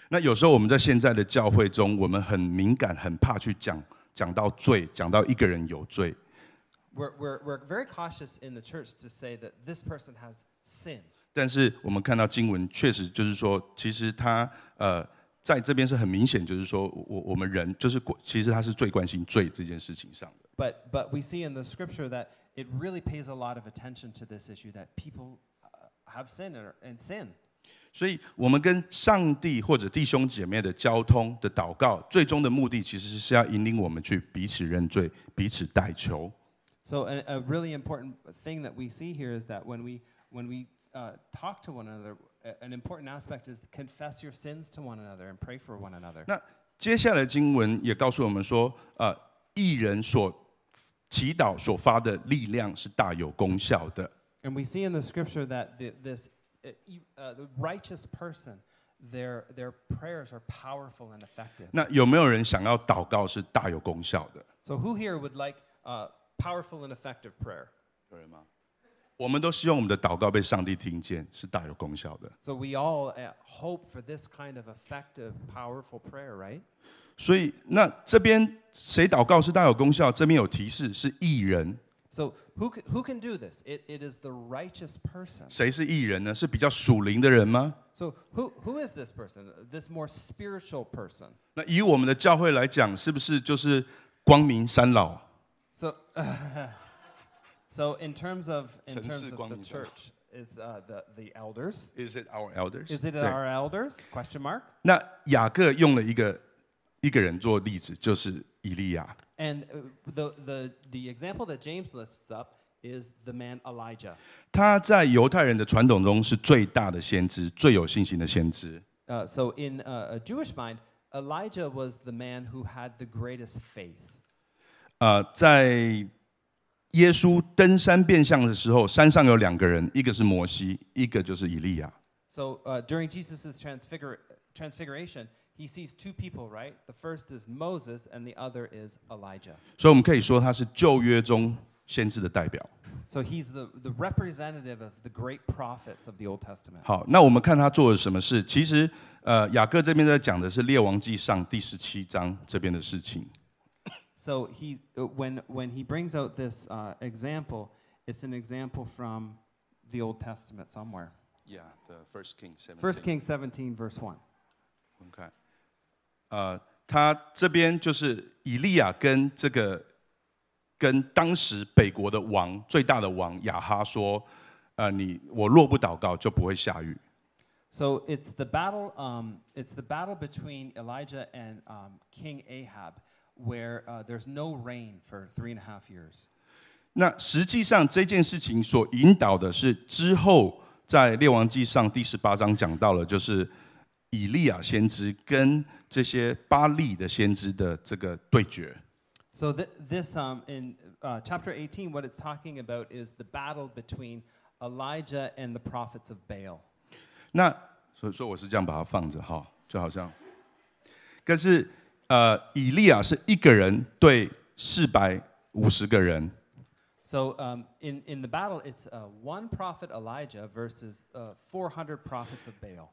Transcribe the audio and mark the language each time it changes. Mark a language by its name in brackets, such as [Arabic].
[Chinese] 那有时候我们在现在的教会中，我们很敏感，很怕去讲到罪，讲到一个人有罪。 [English] We're very cautious in the church to say that this person has sin. [Chinese] 但是我们看到经文确实就是说，其实他在这边是很明显，就是说，我们人就是其实他是最关心罪这件事情上的。 [English] But we see in the scripture that it really pays a lot of attention to this issue that people have sin and sin. [Chinese] 所以我们跟上帝或者弟兄姐妹的交通的祷告，最终的目的其实是要引领我们去彼此认罪，彼此代求。 [English] So a really important thing that we see here is that when we talk to one another, an important aspect is confess your sins to one another and pray for one another. [Chinese] 那接下来经文也告诉我们说，义人所祈祷所发的力量是大有功效的。 [English] And we see in the scripture that the righteous person, their prayers are powerful and effective. [Chinese] 那有没有人想要祷告是大有功效的 [English] ？So who here would like powerful and effective prayer? [Chinese] 有人吗？我们都希望我们的祷告被上帝听见，是大有功效的。 [English] So we all hope for this kind of effective, powerful prayer, right? [Chinese] 所以那这边谁祷告是大有功效？这边有提示是义人。 [English] So who can do this? It is the righteous person. [Chinese] 谁是义人呢？是比较属灵的人吗 [English] ？So who is this person? This more spiritual person? [Chinese] 那以我们的教会来讲，是不是就是光明三老 [English] ？So in terms of the church, is the elders? Is it our elders? Is it our elders? Question mark. [Chinese] 那雅各用了一个人做例子，就是以利亚。 [English] And the example that James lifts up is the man Elijah. [Chinese] 他在犹太人的传统中是最大的先知，最有信心的先知。 [English] So in a Jewish mind, Elijah was the man who had the greatest faith. [Chinese] 在耶稣登山变相的时候，山上有两个人，一个是摩西，一个就是以利亚。 [English] So during Jesus's transfiguration. He sees two people, right? The first is Moses, and the other is Elijah. So we can say he's the representative of the Old Testament. So he's the representative of the great prophets of the Old Testament. [Chinese] 好，那我们看他做了什么事。其实，雅各这边在讲的是《列王记上》第十七章这边的事情。 [English] So he when he brings out this example, it's an example from the Old Testament somewhere. Yeah, the First Kings 17. First Kings 17, verse 1. Okay. [Chinese] 他这边就是以利亚跟当时北国的王最大的王亚哈说，我若不祷告就不会下雨。 [English] So it's the battle, between Elijah and King Ahab, where there's no rain for 3.5 years. [Chinese] 那实际上这件事情所引导的是之后在列王记上第十八章讲到了，就是以利亚先知跟这些巴利的先知的这个对决。 [English] So this in chapter 18, what it's talking about is the battle between Elijah and the prophets of Baal. [Chinese] 那所以我是这样把它放着哈，就好像，可是以利亚是一个人对450个人。 [English] So in the battle, it's one prophet Elijah versus 400 prophets of Baal.